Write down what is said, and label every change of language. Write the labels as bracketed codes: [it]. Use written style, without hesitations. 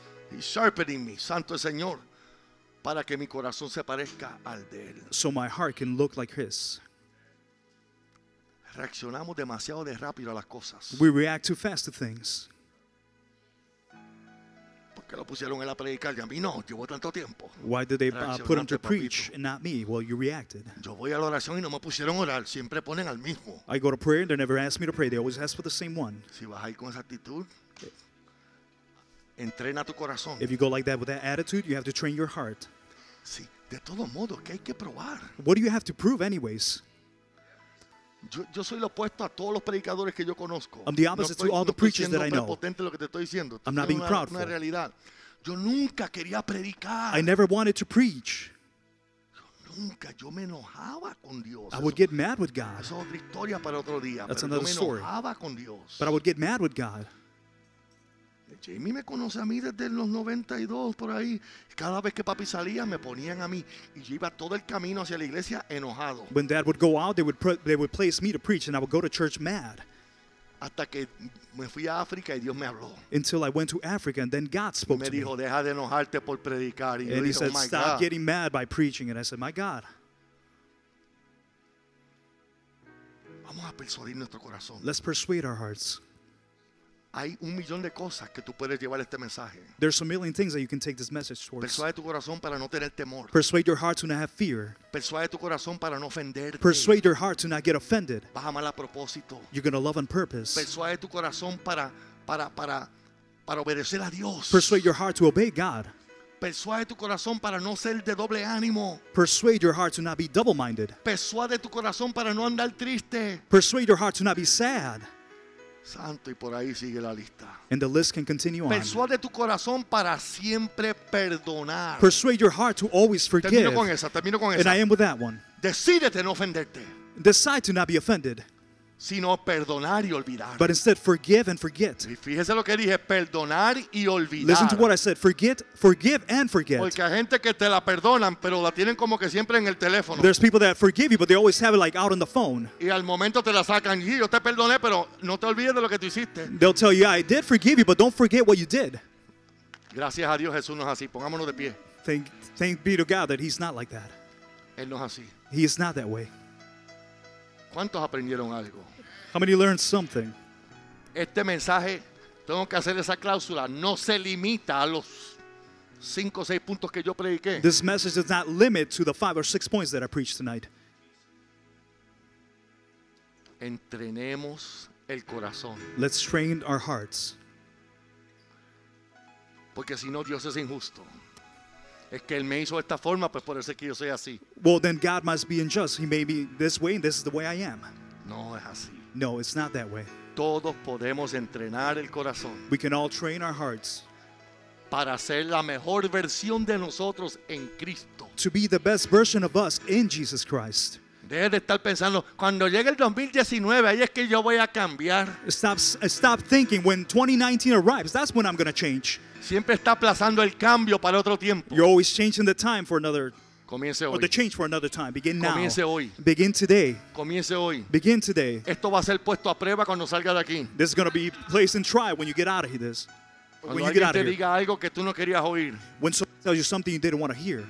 [en] He's sharpening me, [es] santo el Señor, para que mi corazón se parezca al de él. [en] So my heart can look like his. [es] Reaccionamos demasiado de rápido a las cosas. [en] We react too fast to things. [es] que lo pusieron en la predicar y a mí no, llevo tanto tiempo. [en] Why did they put him to preach and not me? Well, you reacted. [es] Yo voy a la oración y no me pusieron a orar, siempre ponen al mismo. [en] I go to prayer and they never ask me to pray, they always ask for the same one. [es] Si vas a ir con esa actitud, entrena tu corazón. [en] If you go like that with that attitude, you have to train your heart. [es] Sí, de todo modo, ¿qué hay que probar? [en] What do you have to prove anyways? [es] Yo soy lo opuesto a todos los predicadores que yo conozco. [en] I'm the opposite to all the preachers that I know. [es] Lo que te estoy diciendo. [en] I'm not being proud. [es] Una realidad. Yo nunca quería predicar. [en] I never wanted to preach. [es] Nunca yo me enojaba con Dios. [en] I would get mad with God. [es] Eso es otra historia para otro día. [en] That's another story. [es] Me enojaba con Dios. [en] But I would get mad with God. [es] Jamie me conoce a mí desde los 92 por ahí. Cada vez que papi salía me ponían a mí y yo iba todo el camino hacia la iglesia enojado. [en] When dad would go out, they would place me to preach and I would go to church mad. [es] Hasta que me fui a África y Dios me habló. [en] Until I went to Africa and then God spoke to me. [es] Me dijo, deja de enojarte por predicar. Y [en] he said, stop getting mad by preaching. And I said, my God. [es] Vamos a persuadir nuestro corazón. [en] Let's persuade our hearts. [es] Hay un millón de cosas que tú puedes llevar este mensaje. [en] There's a million things that you can take this message towards. [es] Persuade tu corazón para no tener temor. [en] Persuade your heart to not have fear. [es] Persuade tu corazón para no ofenderte. [en] Persuade your heart to not get offended. [es] Vas a amar a propósito. [en] You're going to love on purpose. [es] Persuade tu corazón para obedecer a Dios. [en] Persuade your heart to obey God. [es] Persuade tu corazón para no ser de doble ánimo. [en] Persuade your heart to not be double-minded. [es] Persuade tu corazón para no andar triste. [en] Persuade your heart to not be sad. [es] Santo, y por ahí sigue la lista. [en] And the list can continue on. [es] Persuade tu corazón para siempre perdonar. [en] Persuade your heart to always forgive. [es] Termino con esa, termino con esa. [en] And I am with that one. [es] Decídete no ofenderte. [en] Decide to not be offended. [es] Sino perdonar y olvidar. [en] But instead forgive and forget. [es] Y fíjese lo que dije, perdonar y olvidar. [en] Listen to what I said, forget, forgive and forget. [es] Porque hay gente que te la perdonan, pero la tienen como que siempre en el teléfono. [en] There's people that forgive you, but they always have it like out on the phone. [es] Y al momento te la sacan, y yo te perdoné, pero no te olvides de lo que tú hiciste. [en] They'll tell you, I did forgive you, but don't forget what you did. [es] Gracias a Dios Jesús no es así, pongámonos de pie. [en] Thank be to God that he's not like that. [es] Él no es así. [en] He is not that way. [es] ¿Cuántos aprendieron algo? [en] How many learned something? [es] Este mensaje, tengo que hacer esa cláusula, no se limita a los 5 o 6 puntos que yo prediqué. [en] This message does not limit to the 5 or 6 points that I preached tonight. [es] Entrenemos el corazón. [en] Let's train our hearts. [es] Porque si no, Dios es injusto. Es que él me hizo esta forma, pues por eso es que yo soy así. [en] Well, then God must be unjust. He made me this way, and this is the way I am. [es] No, es así. [en] No, it's not that way. [es] Todos podemos entrenar el corazón. [en] We can all train our hearts. [es] Para ser la mejor versión de nosotros en Cristo. [en] To be the best version of us in Jesus Christ. [es] Deje de estar pensando, cuando llegue el 2019, ahí es que yo voy a cambiar. [en] Stop thinking, when 2019 arrives, that's when I'm going to change. [es] Siempre está aplazando el cambio para otro tiempo. [en] You're always changing the time for another. [es] Comience hoy. [en] Or the change for another time. Begin now. [es] Comience hoy. [en] Begin today. [es] Comience hoy. [en] Begin today. [es] Esto va a ser puesto a prueba cuando salga de aquí. [en] This is going to be placed in trial when you get out of this. When you get out of here. [es] Cuando alguien te diga algo que tú no querías oír. [en] When someone tells you something you didn't want to hear.